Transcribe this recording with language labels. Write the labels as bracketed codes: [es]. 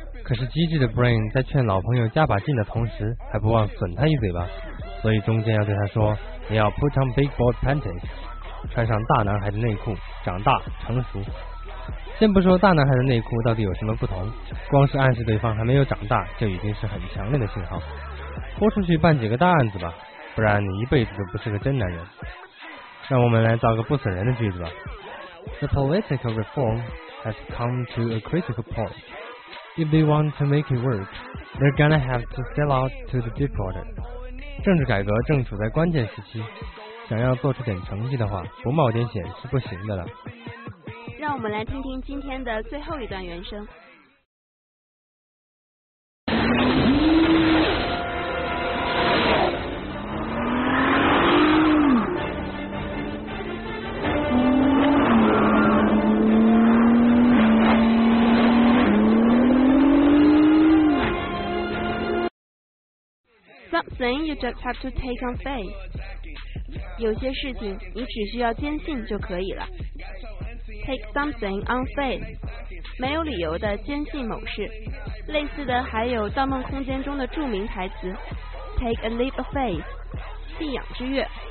[zh] 可是机智的 Brain 在劝老朋友加把劲的同时还不忘损他一嘴巴，所以中间要对他说，你要 [en] put on big boy panties， [zh] 穿上大男孩的内裤，长大成熟。先不说大男孩的内裤到底有什么不同，光是暗示对方还没有长大就已经是很强烈的信号，豁出去办几个大案子吧，不然你一辈子都不是个真男人。让我们来造个不损人的句子吧。 [en] The political reform has come to a critical point. If they want to make it work, they're gonna have to sail out to the deep water. [zh] 政治改革正处在关键时期，想要做出点成绩的话，不冒点险是不行的了。让我们来听听今天的最后一段原声。 [en] Something you just have to take on faith. [zh] 有些事情你只需要坚信就可以了。 [en] Take something on faith. [zh] 没有理由的坚信某事。类似的还有《盗梦空间》中的著名台词 ： [en] Take a leap of faith. [zh] 信仰之跃。